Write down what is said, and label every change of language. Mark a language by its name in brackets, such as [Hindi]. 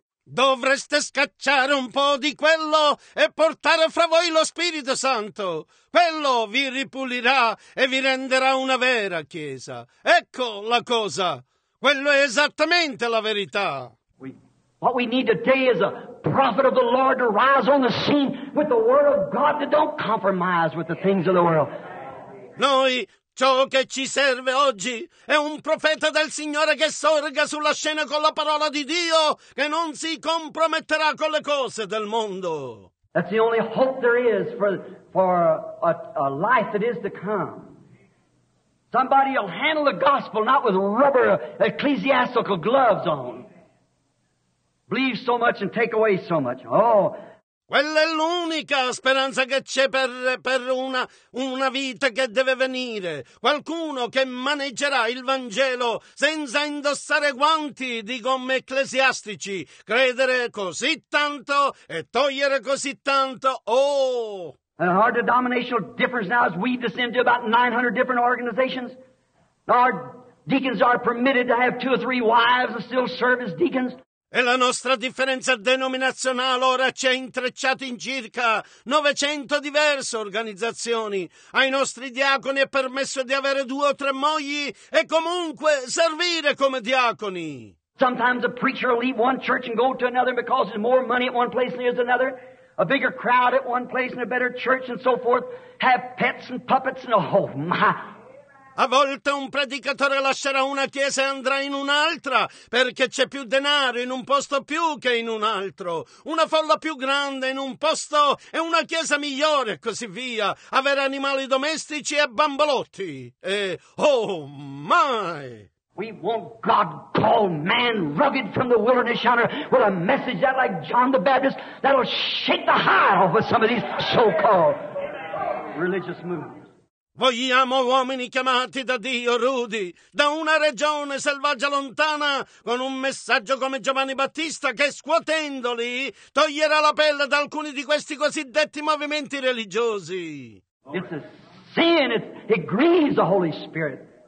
[Italian] Dovreste scacciare un po' di quello e portare fra voi lo Spirito Santo. Quello vi ripulirà e vi renderà una vera chiesa. Ecco la cosa. Quello è esattamente la verità. [English] What we need today is a prophet of the Lord to rise on the scene with the word of God that don't compromise with the things of the world. Noi, ciò che ci serve oggi è un profeta del Signore che sorga sulla scena con la parola di Dio, che non si comprometterà con le cose del mondo. That's the only hope there is for a life that is to come. Somebody will handle the gospel not with rubber ecclesiastical gloves on. Believe so much and take away so much. Oh. [Italian] Quella è l'unica speranza che c'è per una vita che deve venire. Qualcuno che maneggerà il Vangelo senza indossare guanti di gomme ecclesiastici. Credere così tanto e togliere così tanto. Oh! [English] And our denominational difference now is we descend to about 900 different organizations. Our deacons are permitted to have two or three wives and still serve as deacons. [Italian] E la nostra differenza denominazionale ora ci ha intrecciato in circa 900 diverse organizzazioni. Ai nostri diaconi è permesso di avere due o tre mogli e comunque servire come diaconi. [English] Sometimes a preacher will leave one church and go to another because there's more money at one place than there is another. A bigger crowd at one place and a better church and so forth. Have pets and puppets and oh my... [Italian] A volte un predicatore lascerà una chiesa e andrà in un'altra perché c'è più denaro in un posto più che in un altro. Una folla più grande in un posto e una chiesa migliore e così via. Avere animali domestici e bambolotti. E [English] oh my! We want God called man rugged from the wilderness yonder with a message that like John the Baptist that'll shake the heart off of some of these so-called religious movements. [Italian] Vogliamo uomini chiamati da Dio, rudi, da una regione selvaggia lontana, con un messaggio come Giovanni Battista che, scuotendoli, toglierà la pelle da alcuni di questi cosiddetti movimenti religiosi. [English] It's a sin. It grieves the Holy Spirit.